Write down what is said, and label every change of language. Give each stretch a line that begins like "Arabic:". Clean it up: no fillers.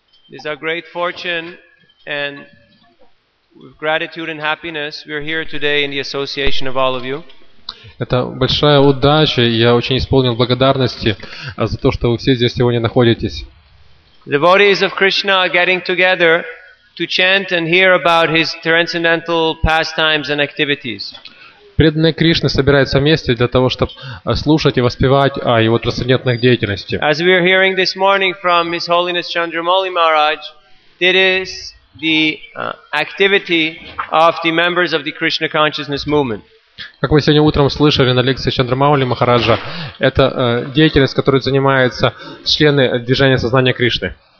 English: It's our great fortune and with gratitude and happiness we are here today in the association of all of you.
Russian: Это большая удача, и я очень исполнен благодарности за то, что вы все здесь сегодня находитесь.
English: Devotees of Krishna are getting together to chant and hear about his transcendental pastimes and activities.
Russian: Преданные Кришны собираются вместе для того, чтобы слушать и воспевать о его трансцендентных деятельности.
English: As we are hearing this morning from His Holiness Chandramouli Maharaj, it is the activity of the members of the Krishna consciousness movement.
Russian: Как вы сегодня утром слышали на лекции Чандрамаули Махараджа, это деятельность, которой занимаются члены движения сознания Кришны.